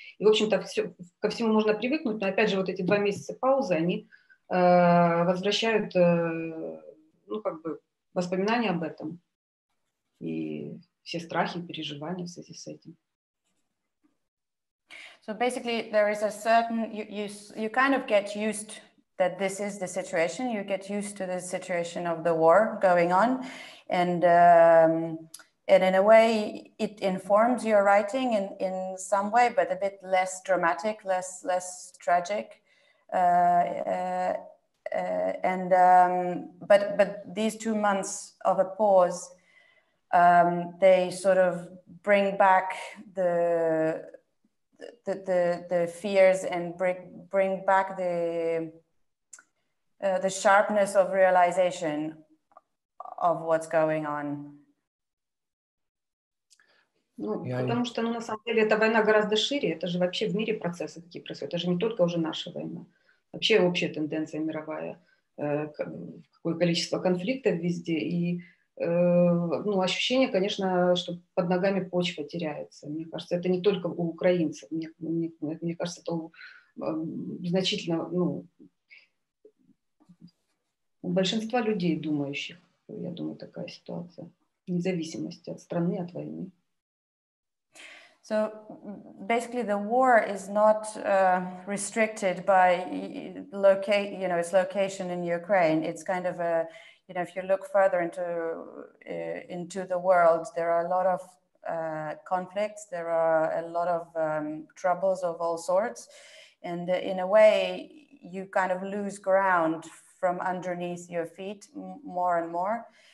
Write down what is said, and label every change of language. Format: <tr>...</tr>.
<ru>И, в общем-то, все, ко всему можно привыкнуть, но, опять же, вот эти два месяца паузы, они возвращают, ну, как бы, воспоминания об этом, и все страхи и переживания в связи с этим.</ru> <en>So, basically, there is a certain, you kind of get used that this is the situation, you get used to the situation of the war going on, and in a way it informs your writing in some way, but a bit less dramatic, less tragic, but these 2 months of a pause, they sort of bring back the fears and bring back the sharpness of realization of what's going on.</en> <ru>Ну, потому что, ну, на самом деле, эта война гораздо шире. Это же вообще в мире процессы такие происходят. Это же не только уже наша война. Вообще общая тенденция мировая. Какое количество конфликтов везде. И, ну, ощущение, конечно, что под ногами почва теряется. Мне кажется, это не только у украинцев. Мне кажется, это значительно, ну, у большинства людей думающих, я думаю, такая ситуация, независимость от страны, от войны.</ru> <en>So basically the war is not restricted by its location in Ukraine. It's kind of a, you know, if you look further into the world, there are a lot of conflicts, there are a lot of troubles of all sorts, and in a way you kind of lose ground from underneath your feet more and more.</en>